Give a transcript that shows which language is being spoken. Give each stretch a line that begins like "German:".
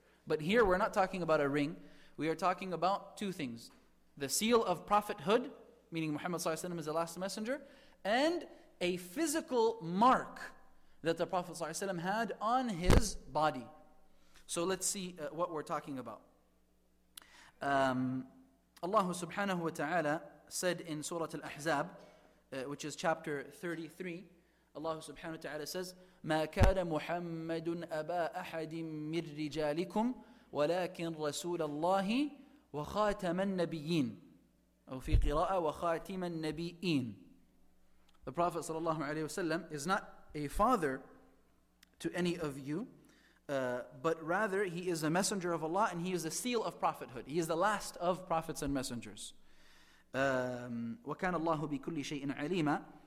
English: But here, we're not talking about a ring. We are talking about two things. The seal of prophethood, meaning Muhammad ﷺ is the last messenger, and a physical mark that the Prophet ﷺ had on his body. So let's see what we're talking about. Allah subhanahu wa ta'ala said in Surah Al-Ahzab, which is chapter 33, Allah subhanahu wa ta'ala says,
Arabic: مَا كَانَ مُحَمَّدٌ أَبَا أَحَدٍ مِّن رِجَالِكُمْ وَلَكِنْ رَسُولَ اللَّهِ وَخَاتَمَ النَّبِيِّينَ أو في قراءة وَخَاتِمَ النَّبِيِّينَ.
English: The Prophet
Arabic: sallallahu alayhi wa sallam
English: is not a father to any of you, but rather he is a messenger of Allah and he is the seal of prophethood. He is the last of prophets and messengers.
Arabic: وَكَانَ اللَّهُ بِكُلِّ شَيْءٍ عَلِيمًا.